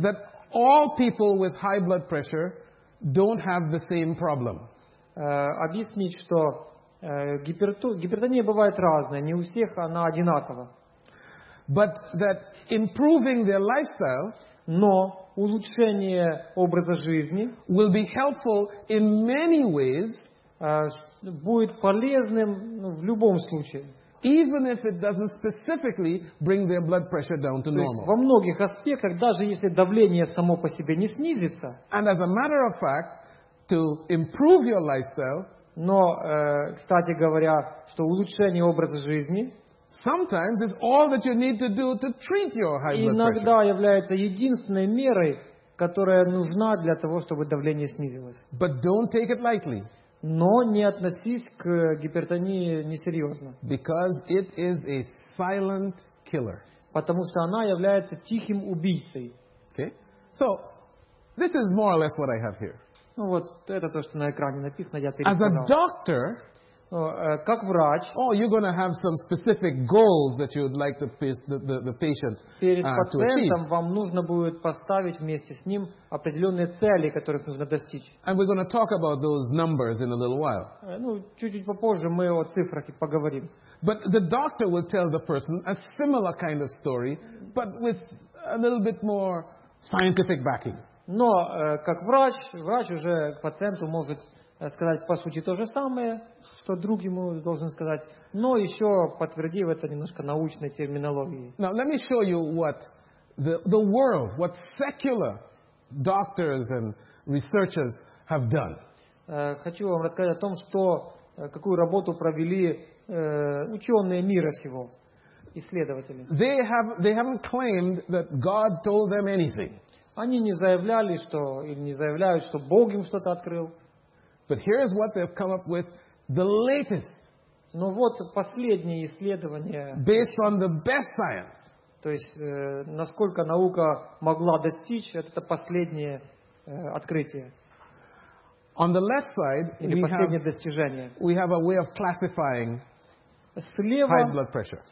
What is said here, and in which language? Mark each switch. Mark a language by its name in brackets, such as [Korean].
[English] That all people with high blood pressure don't have the same problem. [Russian] Объяснить, что гипертония бывает разная, не у всех она одинакова. [English] But that improving their lifestyle. [Russian] Но улучшение образа жизни [English] will be helpful in many ways, [Russian] будет полезным в любом случае. [English] Even if it doesn't specifically bring their blood pressure down to normal. [Russian] Во многих аспектах, даже если давление само по себе не снизится. [English] And as a matter of fact, to improve your lifestyle. [Russian] Но, кстати говоря, что улучшение образа жизни. [English] Sometimes it's all that you need to do to treat your high blood pressure. [Russian] Иногда является единственной мерой, которая нужна для того, чтобы давление снизилось. [English] But don't take it lightly. [Russian] Но не относись к гипертонии несерьезно. [English] Because it is a silent killer. [Russian] Потому что она является тихим убийцей. [English] Okay. So this is more or less what I have here. [Russian] Ну вот это то, что на экране написано, я пересказал. [English] As a doctor. [Russian] Как врач, [English] oh, you're going to have some specific goals that you'd like the patient to achieve. [Russian] Перед пациентом вам нужно будет поставить вместе с ним определенные цели, которых нужно достичь. [English] And we're going to talk about those numbers in a little while. [Russian] Ну, чуть-чуть попозже мы о цифрах и поговорим. [English] But the doctor will tell the person a similar kind of story, but with a little bit more scientific backing. [Russian] Но как врач уже к пациенту может сказать по сути то же самое, что друг ему должен сказать, но еще подтвердив это немножко научной терминологией. [English] Now let me show you what the world, what secular doctors and researchers have done. [Russian] Хочу вам рассказать о том, что какую работу провели ученые мира сего, исследователи. [English] They haven't claimed that God told them anything. [Russian] Они не заявляли, что или не заявляют, что Бог им что-то открыл. [English] But here is what they've come up with, the latest. [Russian] Но вот последние исследования. [English] Based on the best science. [Russian] То есть насколько наука могла достичь это последнее открытие. [English] On the left side, [Russian] или последнее достижение. [English] We have a way of classifying high blood pressure.